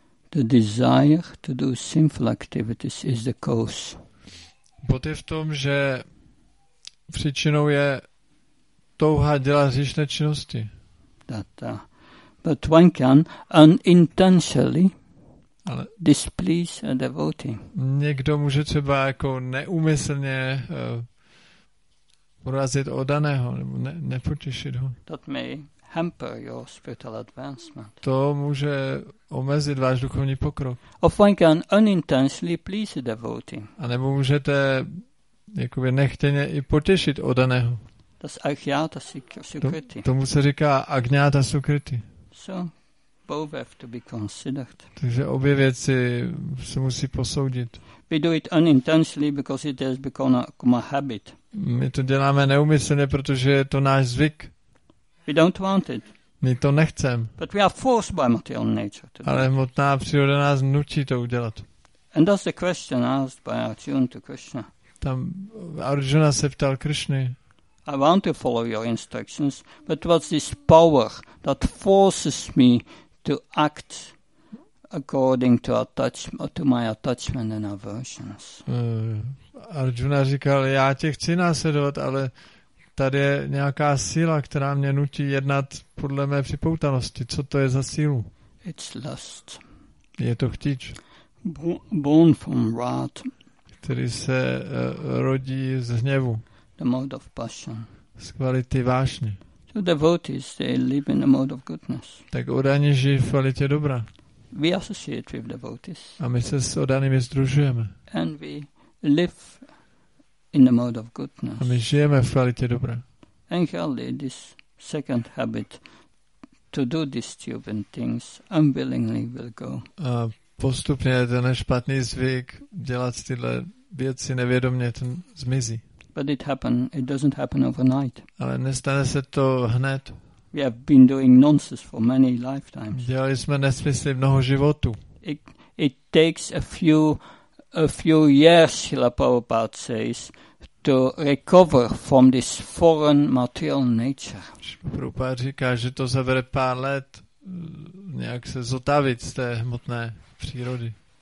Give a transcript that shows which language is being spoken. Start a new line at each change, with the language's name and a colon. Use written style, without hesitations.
English: The desire to do sinful activities is the cause.
Czech: Bod je v tom, že příčinou je touha dělat hříšné činnosti.
English: But one can unintentionally displease a devotee.
Czech: Někdo může třeba jako neúmyslně urazit oddaného nebo nepotěšit ho.
English: That may hamper your spiritual advancement.
Czech: To může omezit váš duchovní pokrok.
English: Or one can unintentionally please a devotee.
Czech: A nebo můžete jakoby nechtěně i potěšit oddaného.
English: That's agnyata sukriti.
Czech: Tomu se říká agnyata sukriti.
English: So both have to be considered.
Czech: Takže obě věci se musí posoudit.
English: We do it unintentionally because it has become a habit.
Czech: My to děláme neumyslně, protože je to náš zvyk.
English: We don't want it.
Czech: My to nechcem.
English: But we are forced by material nature to do.
Czech: Ale hmotná příroda nás nutí to udělat.
English: And that's the question asked by Arjuna to Krishna.
Czech: Tam Arjuna se ptal Krishny.
English: I want to follow your instructions, but what's this power that forces me to act according to my attachment and aversions?
Czech: Arjuna říkal, já tě chci následovat, ale tady je nějaká síla, která mě nutí jednat podle mé připoutanosti. Co to je za sílu?
English: It's lust.
Czech: Je to chtíč.
English: Born from wrath.
Czech: Který se rodí z hněvu.
English: The mode of passion.
Czech: Z kvality vášně.
English: So devotees, they live in the mode of goodness.
Czech: Tak oddaní žijí v kvalitě dobra.
English: We associate with devotees.
Czech: A my se s oddanými združujeme.
English: And we live in the mode of goodness.
Czech: A my žijeme v kvalitě dobra.
English: And clearly this second habit to do these stupid things unwillingly will go.
Czech: A postupně ten špatný zvyk dělat tyhle věci nevědomně, ten zmizí.
English: But it doesn't happen overnight.
Czech: Ale nestane se to hned.
English: We have been doing nonsense for many lifetimes.
Czech: Dělali jsme nesmysly mnoho životů.
English: It takes a few years, Srila Prabhupada says, to recover from this foreign material nature.
Czech: Prabhupada říká, že to zabere pár let nějak se zotavit z té hmotné přírody.